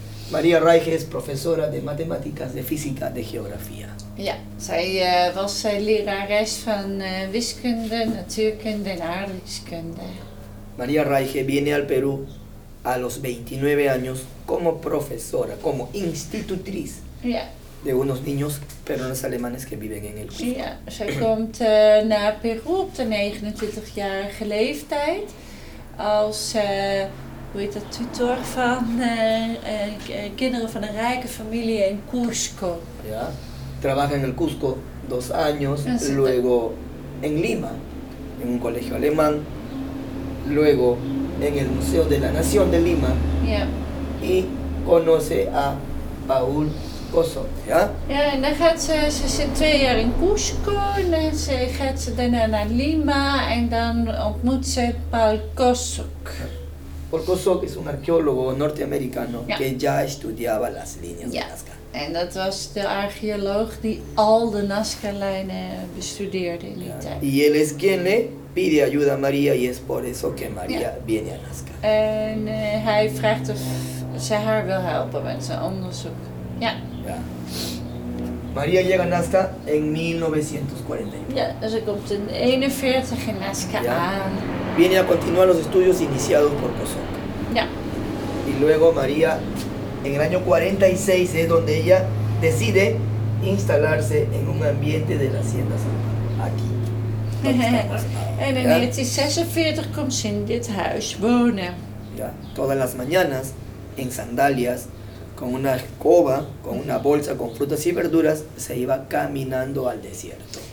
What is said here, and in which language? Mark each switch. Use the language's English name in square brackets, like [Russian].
[Spanish] María Reiche es profesora de matemáticas, de física, de geografía. [Dutch] Ja, zij was lerares van wiskunde, natuurkunde en aardrijkskunde. [Spanish] María Reiche viene al Perú a los 29 años como profesora, como institutriz. [Dutch] Ja. [Spanish] De unos niños, pero los alemanes que viven en el Cusco. [Dutch] Ja, zij komt naar Peru op de 29-jarige leeftijd als... Hoe heet dat, tutor van kinderen van een rijke familie in Cusco. [Spanish] Ja, trabaja en el Cusco dos años, luego en Lima, en un colegio alemán, luego en el Museo de la Nación de Lima, y conoce a Paul Coso, ¿ya? [Dutch] Ja, en dan gaat ze, ze zit twee jaar in Cusco, en dan gaat ze daarna naar Lima, en dan ontmoet ze Paul Coso. [Spanish] Paul Coso es un arqueólogo norteamericano que ya estudiaba las líneas de Nazca. [Dutch] En dat was de archeoloog die al de Nazca-lijnen bestudeerde in die tijd. [Spanish] Y él es quien le pide ayuda a María y es por eso que María viene a Nazca. [Dutch] En hij vraagt of ze haar wil helpen met zijn onderzoek. Ja. [Spanish] Ja. María llega a Nazca en 1941. [Dutch] Ja, ze komt in 41 in Nazca aan. [Spanish] Viene a continuar los estudios iniciados por Coso. Ya. Y luego María, en el año 46, es donde ella decide instalarse en un ambiente de la Hacienda San Pablo, aquí. [Dutch] En 1946 komt ze in dit huis wonen. [Spanish] Ya, todas las mañanas, en sandalias, con una escoba, con una bolsa con frutas y verduras, se iba caminando al desierto.